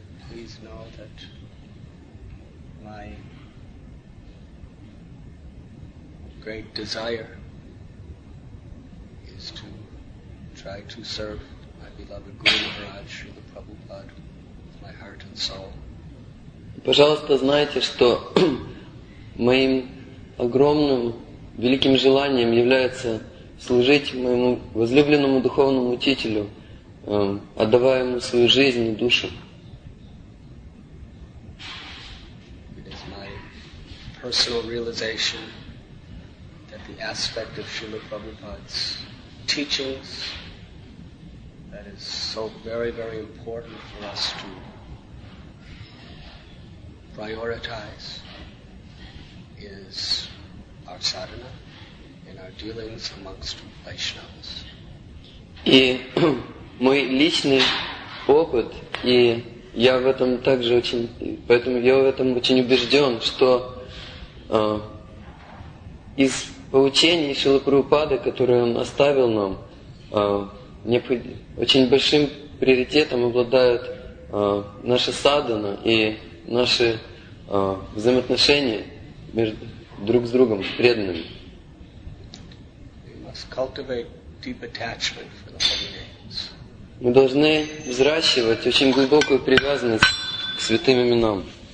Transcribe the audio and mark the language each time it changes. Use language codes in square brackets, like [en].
[en] Please know that my great desire is to try to serve my beloved Guru Maharaj, Srila Prabhupada, with my heart and soul. [ru] Пожалуйста, знайте, что моим огромным, великим желанием является служить моему возлюбленному духовному учителю, отдавая ему свою жизнь и душу. [en] It is my personal realization that the aspect of Srila Prabhupada's teachings that is so very, very important for us to prioritize is our sadhana in our dealings amongst Vaishnavas. [ru] И мой личный опыт, и я в этом также очень, поэтому я в этом очень убежден, что из поучений Шрилы Прабхупады, которые он оставил нам, очень большим приоритетом обладают наши садхана и наши взаимоотношения между друг с другом, преданными. [en] We must cultivate deep attachment for the holy names. [ru] Мы должны взращивать очень глубокую привязанность к святым именам.